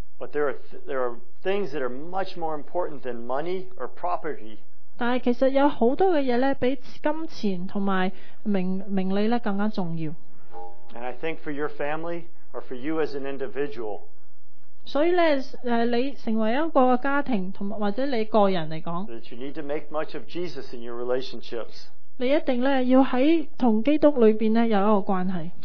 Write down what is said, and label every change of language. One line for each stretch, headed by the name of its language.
English: But there are things that are much more important than money or property。
Cantonese: 但系其实有好多嘅嘢咧，比金钱同埋名利咧更加重要。
English: And I think for your family or for you as an individual。
Cantonese: 所以咧，你成为一个家庭，同或者你个人嚟讲。
English: That you need to make much of Jesus in your relationships。
Cantonese: 你一定咧要喺同基督里边咧有一个关系。